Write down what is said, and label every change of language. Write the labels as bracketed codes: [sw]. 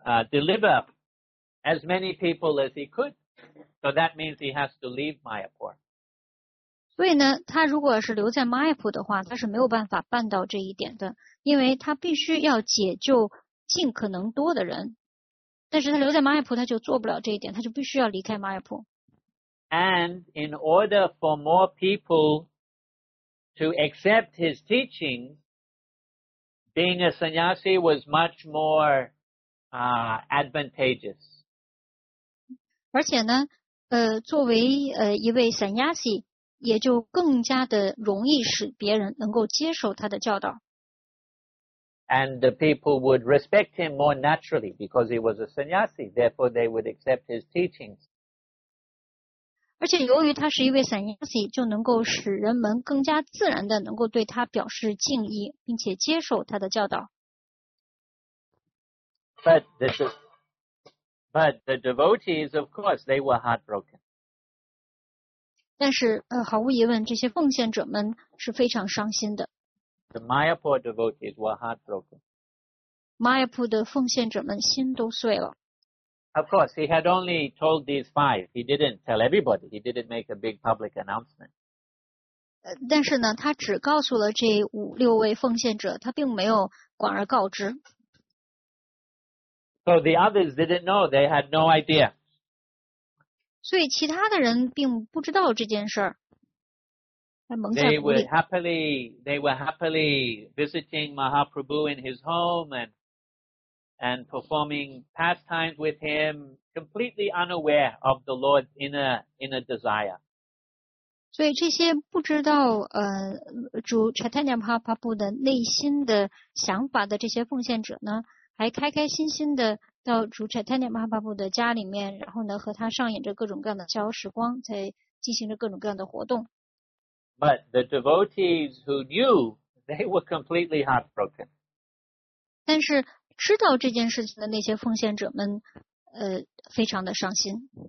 [en] Deliver as many people as he could. So that means he has to leave Mayapur. [zh] 所以呢，他如果是留在 Mayapur 的话，他是没有办法办到这一点的，因为他必须要解救尽可能多的人。但是他留在 Mayapur， 他就做不了这一点，他就必须要离开 Mayapur。 [en] And in order for more people to accept his teaching. Being a sannyasi was much more advantageous. [zh] 而且呢，作为一位 sannyasi， 也就更加的容易使别人能够接受他的教导。 [en] And the people would respect him more naturally because he was a sannyasi. Therefore, they would accept his teachings. [zh] 而且由于他是一位 sannyasi， 就能够使人们更加自然的能够对他表示敬意，并且接受他的教导。 [en] But the devotees, of course, they were heartbroken. [zh] 但是毫无疑问，这些奉献者们是非常伤心的。 [en] The Mayapur devotees were heartbroken. [zh] Mayapur 的奉献者们心都碎了。 [en] Of course, he had only told these five. He didn't tell everybody. He didn't make a big public announcement. [zh] 但是呢，他只告诉了这五六位奉献者，他并没有广而告之。 [en] So the others didn't know, they had no idea. [zh] 所以其他的人并不知道这件事儿。 [en] They were happily visiting Mahaprabhu in his home and performing pastimes with him, completely unaware of the Lord's inner desire. [zh] 所以这些不知道主 Chaitanya Mahaprabhu 的内心的想法的这些奉献者呢，还开开心心的到主 Chaitanya Mahaprabhu 的家里面，然后呢和他上演着各种各样的逍遥时光，在进行着各种各样的活动。 [en] But the devotees who knew, they were completely heartbroken. [zh] 但是知道这件事情的那些奉献者们，非常的伤心。